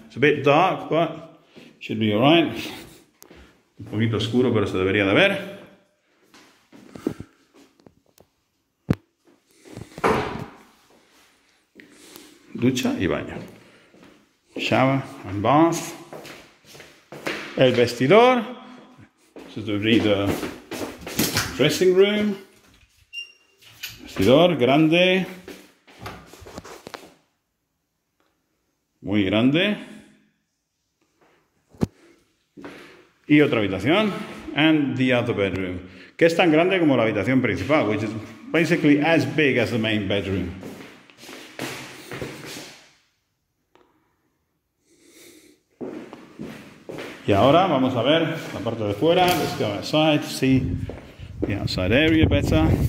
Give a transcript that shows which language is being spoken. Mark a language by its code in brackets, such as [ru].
[en] It's a bit dark, but should be alright. [es] Un poquito oscuro, pero se debería de ver. Ducha y baño. [en] Shower and bath. [es] El vestidor. [en] This is the dressing room. [es] Vestidor grande. Muy grande. Y otra habitación. [en] And the other bedroom. [es] Que es tan grande como la habitación principal, [en] which is basically as big as the main bedroom. [es] Y ahora vamos a ver la parte de fuera. [en] Let's go outside, see the outside area better.